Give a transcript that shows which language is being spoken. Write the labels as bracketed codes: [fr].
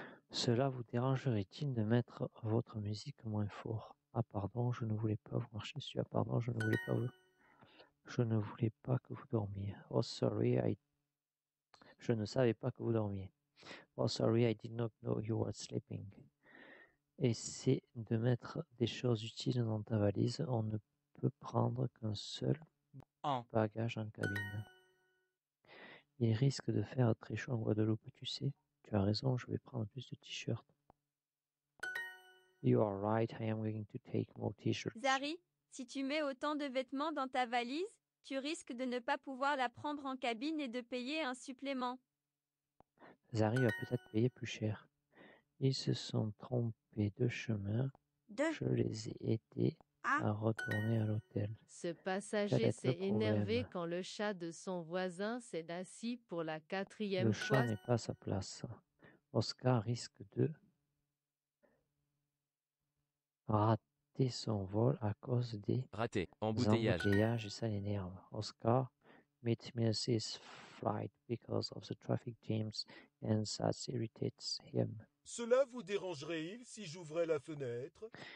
[fr] Cela vous dérangerait-il de mettre votre musique moins fort ? Ah pardon, je ne voulais pas vous marcher dessus. Ah pardon, je ne voulais pas que vous dormiez. [en] Oh sorry, [fr] je ne savais pas que vous dormiez. [en] Oh sorry, I did not know you were sleeping. [fr] Essaie de mettre des choses utiles dans ta valise. On ne peut prendre qu'un seul bagage en cabine. Il risque de faire très chaud en Guadeloupe, tu sais. Tu as raison, je vais prendre plus de t-shirts. [en] You are right, I am going to take more t-shirts. [fr] Zari, si tu mets autant de vêtements dans ta valise, tu risques de ne pas pouvoir la prendre en cabine et de payer un supplément. Zari va peut-être payer plus cher. Ils se sont trompés de chemin. Je les ai aidés à retourner à l'hôtel. Ce passager s'est énervé quand le chat de son voisin s'est assis pour la quatrième fois. Le chat n'est pas à sa place. Oscar risque de rater son vol à cause des embouteillages et ça l'énerve. [en] Oscar might miss his flight because of the traffic jams and that irritates him. [fr] Cela vous dérangerait-il si j'ouvrais la fenêtre?